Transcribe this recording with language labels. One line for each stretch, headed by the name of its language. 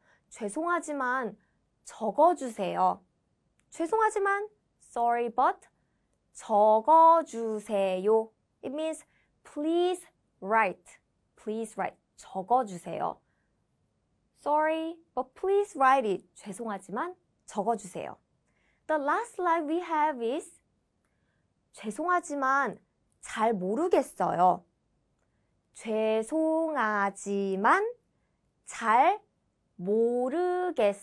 Korean: 죄송하지만 적어주세요. 죄송하지만
English: sorry but
Korean: 적어주세요.
English: It means please write. Please write.
Korean: 적어주세요.
English: Sorry but please write it.
Korean: 죄송하지만 적어주세요.
English: The last line we have is
Korean: 죄송하지만 잘 모르겠어요. 죄송하지만 잘 모르겠어요.